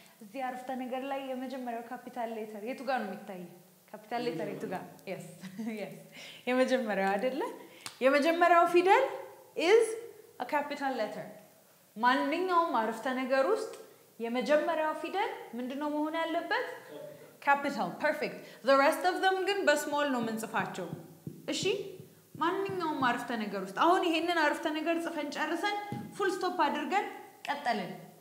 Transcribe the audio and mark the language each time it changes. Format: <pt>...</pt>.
<am>እዚህ አርፍተ ነገር ላይ የመጀመሪያው ካፒታል ሌተር የቱ ጋር ነው የሚታይ? ካፒታል ሌተር የቱ ጋር?</am> <en>Yes. Yes.</en> <am>የመጀመሪያው አይደለ? የመጀመሪያው ፊደል</am> <en>is a capital letter.</en> <am>ማንኛውም አርፍተ ነገር ውስጥ የመጀመሪያው ፊደል ምንድነው መሆን ያለበት?</am> <en>Capital, perfect. The rest of them</en> <am>ግን በስሞል ነው የምንጽፋቸው. እሺ ማንኛውም አርፍተ ነገር ውስጥ አሁን ይሄንን አርፍተ ነገር ጽፈን ጨርሰን ፉል ስቶፕ አድርገን ቀጠልን.</am>